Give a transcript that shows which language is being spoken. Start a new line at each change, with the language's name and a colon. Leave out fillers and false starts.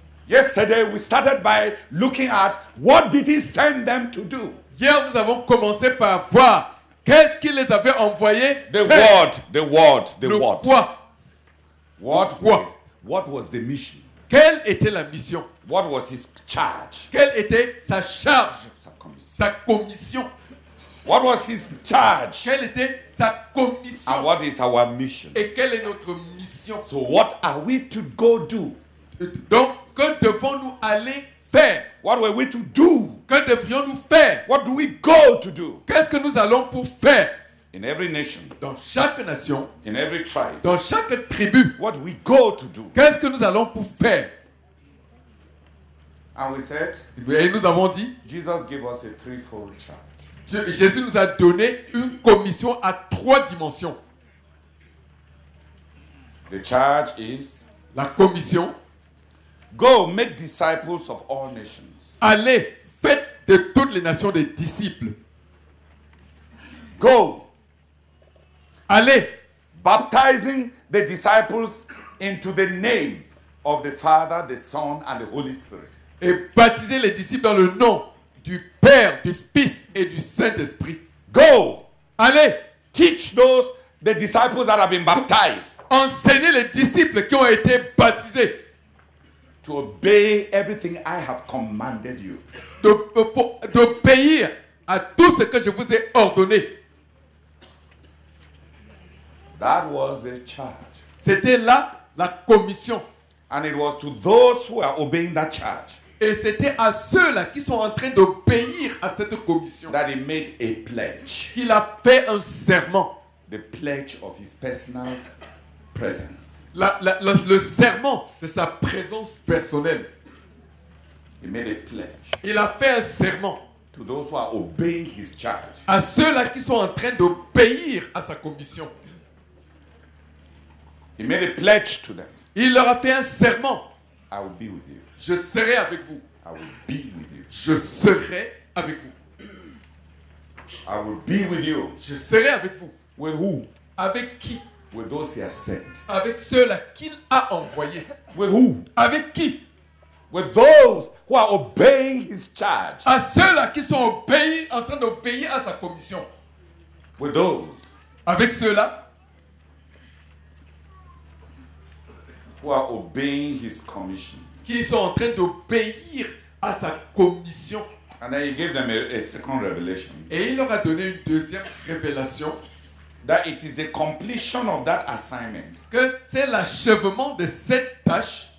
English: Yesterday we started by looking at what did he send them to do.
French: Hier nous avons commencé par voir qu'est-ce qu'il les avait envoyés.
English: The word.
French: Quoi?
English: What?
French: Quoi?
English: What was the mission?
French: Quelle était la mission?
English: What was his charge?
French: Quelle était sa charge? Sa commission.
English: What was his charge?
French: Quelle était sa commission?
English: And what is our mission?
French: Et quelle est notre mission?
English: So what are we to go do?
French: Donc, que devons-nous aller faire?
English: What were we to do?
French: Que devrions-nous faire?
English: What do we go to do?
French: Qu'est-ce que nous allons pour faire?
English: In every nation,
French: dans chaque nation,
English: in every tribe,
French: dans chaque tribu,
English: what do we go to do?
French: Qu'est-ce que nous allons pour faire?
English: And we said,
French: et nous avons dit,
English: Jesus gave us a threefold charge.
French: Jésus nous a donné une commission à trois dimensions.
English: The charge is,
French: la commission,
English: go make disciples of all nations.
French: Allez, faites de toutes les nations des disciples.
English: Go.
French: Allez,
English: baptizing the disciples into the name of the Father, the Son and the Holy Spirit.
French: Et baptiser les disciples dans le nom du Père, du Fils et du Saint-Esprit.
English: Go.
French: Allez,
English: teach those the disciples that have been baptized.
French: Enseignez les disciples qui ont été baptisés.
English: To obey everything I have commanded you.
French: D'obéir à tout ce que je vous ai ordonné.
English: That was the charge.
French: C'était là la commission.
English: And it was to those who are obeying that charge.
French: Et c'était à ceux-là qui sont en train d'obéir à cette commission.
English: That he made a pledge.
French: Il a fait un serment.
English: The pledge of his personal presence.
French: Le serment de sa présence personnelle.
English: He made a pledge.
French: Il a fait un serment.
English: To those who are obeying his charge.
French: À ceux-là qui sont en train d'obéir à sa commission.
English: He made a pledge to them.
French: Il leur a fait un serment.
English: I will be with you.
French: Je serai avec vous.
English: I will be with you.
French: Je serai avec vous.
English: I will be with you.
French: Je serai avec vous.
English: With who?
French: Avec qui?
English: With those he has sent.
French: Avec ceux-là qu'il a envoyés.
English: With who?
French: Avec qui?
English: With those who are obeying his charge.
French: À ceux-là qui sont obéis, en train d'obéir à sa commission.
English: With those.
French: Avec ceux-là.
English: Who are obeying his commission.
French: Qui sont en train d'obéir à sa commission.
English: And then he gave them a second revelation.
French: Et il leur a donné une deuxième révélation.
English: That it is the completion of that assignment.
French: Que c'est l'achèvement de cette tâche.